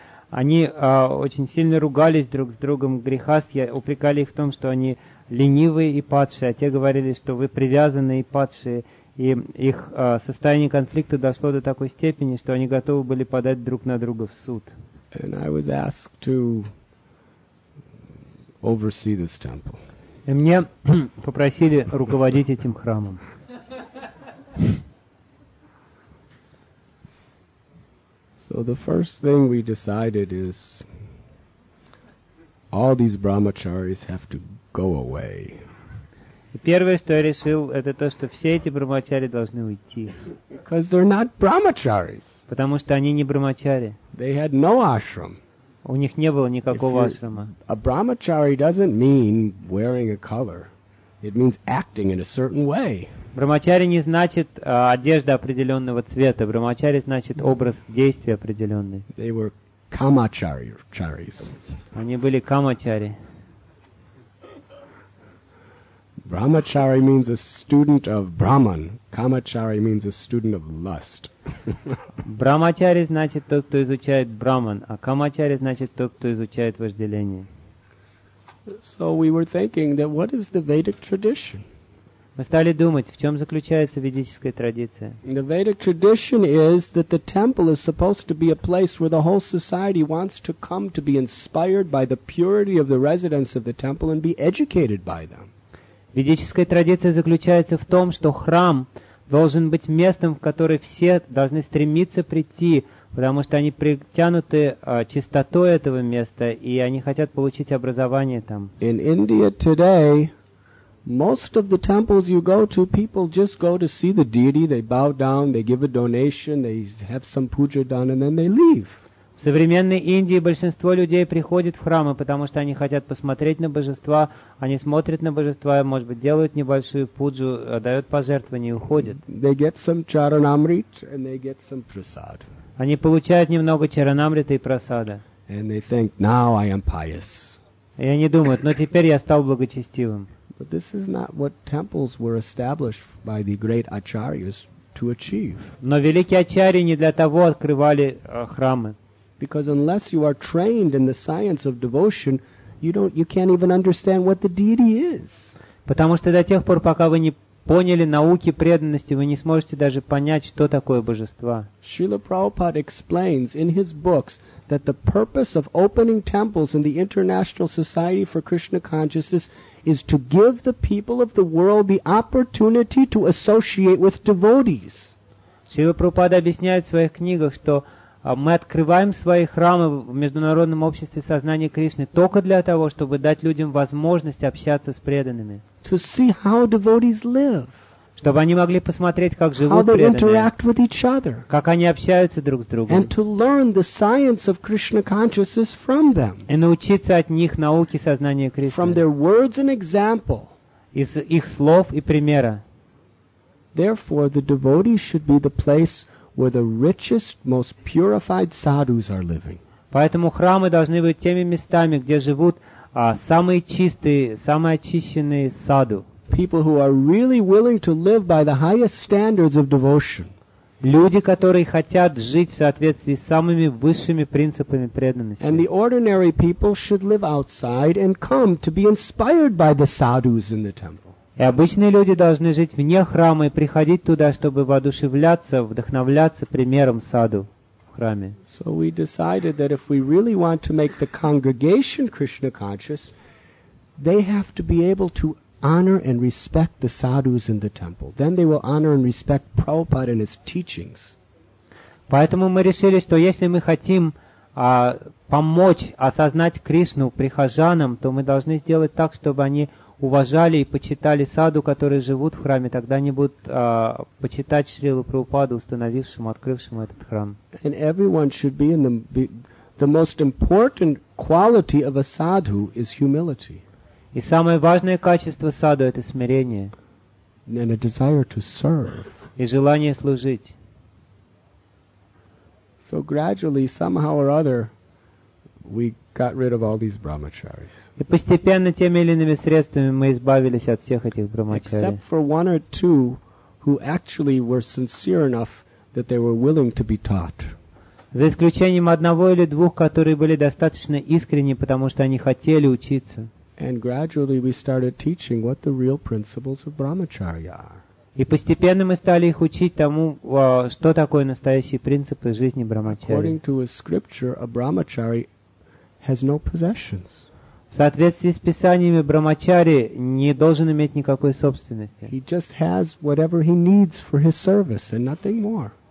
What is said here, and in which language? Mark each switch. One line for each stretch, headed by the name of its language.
Russian: Они очень сильно ругались друг с другом. Грехасты упрекали их в том, что они ленивые и падшие, а те говорили, что вы привязанные и падшие. И их состояние конфликта дошло до такой степени, что они готовы были подать друг на друга в суд.
English: And I was asked to oversee this temple.
Russian: И мне попросили руководить этим храмом.
English: So the first thing we decided is all these brahmacharis have to go away.
Russian: Первое, что я решил, это то, что все эти брахмачари должны уйти.
English: Because they're not brahmacharis.
Russian: Потому что они не брахмачари.
English: They had no ashram.
Russian: У них не было никакого ашрама.
English: A brahmachari doesn't mean wearing a color. It means acting in a certain way.
Russian: Брахмачари не значит одежда определенного цвета. Брахмачари значит образ действия определенный.
English: They were kamacharis.
Russian: Они были камачари.
English: Brahmachari means a student of Brahman. Kamachari means a student of lust.
Russian: Брахмачари значит тот, кто изучает Брахман, а камачари значит тот, кто изучает вожделение.
English: So we were thinking that what is the Vedic tradition?
Russian: Мы стали думать, в чем заключается ведическая традиция.
English: The Vedic tradition is that the temple is supposed to be a place where the whole society wants to come to be inspired by the purity of the residents of the temple and be educated by them.
Russian: Ведическая традиция заключается в том, что храм должен быть местом, в которое все должны стремиться прийти, потому что они притянуты чистотой этого места, и они хотят получить образование там.
English: In India today, most of the temples you go to, people just go to see the deity, they bow down, they give a donation, they have some puja done, and then they leave.
Russian: В современной Индии большинство людей приходит в храмы, потому что они хотят посмотреть на божества, они смотрят на божества, может быть, делают небольшую пуджу, дают пожертвования и уходят.
English: They get some charanamrit and they get some prasad.
Russian: Они получают немного чаранамрита и прасада.
English: And they think, now I am pious.
Russian: И они думают, но теперь я стал благочестивым.
English: But this is not what temples were established by the great acharyas to achieve.
Russian: Но великие ачарьи не для того открывали храмы.
English: Because unless you are trained in the science of devotion, you can't even understand what the deity is.
Russian: Потому что до тех пор, пока вы не поняли науки преданности, вы не сможете даже понять, что такое божество.
English: Шрила Прабхупада explains in his books that the purpose of opening temples in the International Society for Krishna Consciousness is to give the people of the world the opportunity to associate with devotees.
Russian: Шрила Прабхупада объясняет в своих книгах, что мы открываем свои храмы в Международном обществе сознания Кришны только для того, чтобы дать людям возможность общаться с преданными.
English: To see how devotees live.
Russian: Чтобы они могли посмотреть, как живут преданные.
English: How they interact with each other.
Russian: Как они общаются друг с другом.
English: And to learn the science of Krishna consciousness from them.
Russian: И научиться от них науке сознания Кришны.
English: From their words and example.
Russian: Из их слов и примера.
English: Therefore, the devotee should be the place where the richest, most purified sadhus are living.
Russian: Поэтому храмы должны быть теми местами, где живут самые чистые, самые очищенные саду.
English: people who are really willing to live by the highest standards of devotion.
Russian: Люди, которые хотят жить в соответствии с самыми высшими принципами преданности.
English: And the ordinary people should live outside and come to be inspired by the sadhus in the temple.
Russian: И обычные люди должны жить вне храма и приходить туда, чтобы воодушевляться, вдохновляться примером саду в храме.
English: So we decided that if we really want to make the congregation Krishna conscious, they have to be able to honor and respect the sadhus in the temple. Then they will honor and respect Prabhupada and his teachings.
Russian: Поэтому мы решили, что если мы хотим помочь осознать Кришну прихожанам, то мы должны сделать так, чтобы они уважали и почитали саду, которые живут в храме, тогда они будут почитать Шрилу Прабхупаду, установившему, открывшему этот храм.
English: And everyone should be in the most important quality of a sadhu is humility.
Russian: И самое важное качество саду — это смирение.
English: And a desire to serve.
Russian: И желание служить.
English: So gradually, somehow or other, we got rid of all these brahmacharis.
Russian: И постепенно теми или иными средствами мы избавились от всех этих брахмачари.
English: Except for one or two who actually were sincere enough that they were willing to be taught.
Russian: За исключением одного или двух, которые были достаточно искренни, потому что они хотели учиться.
English: And gradually we started teaching what the real principles of brahmacharya are.
Russian: И постепенно мы стали их учить тому, что такое настоящие принципы жизни брахмачари.
English: According to a scripture, a brahmachari has no possessions.
Russian: В соответствии с писаниями, брахмачари не должен иметь никакой собственности.
English: He just has whatever he needs for his service and nothing more.